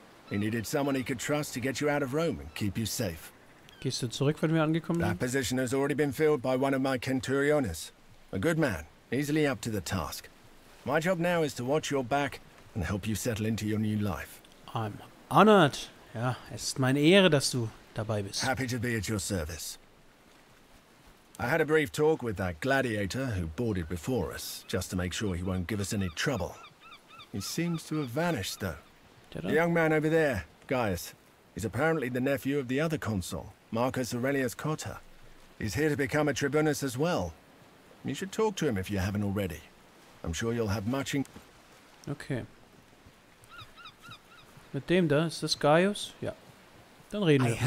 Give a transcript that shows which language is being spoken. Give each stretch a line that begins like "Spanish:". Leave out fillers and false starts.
English: He needed someone he could trust to get you out of Rome and keep you safe.
German: Gehst du zurück, wenn wir angekommen sind?
English: That position has already been filled by one of my centuriones. A good man, easily up to the task. My job now is to watch your back and help you settle into your new life. I'm honored.
German: Ja, es ist meine Ehre, dass du dabei bist.
English: Happy to be at your service. I had a brief talk with that gladiator who boarded before us, just to make sure he won't give us any trouble. He seems to have vanished, though. The young man over there, Gaius, is apparently the nephew of the other consul, Marcus Aurelius Cotta. He's here to become a tribunus as well. You should talk to him if you haven't already. I'm sure you'll have much in- Okay.
German: Mit dem da, ist das Gaius? Ja. Dann reden wir mit dem.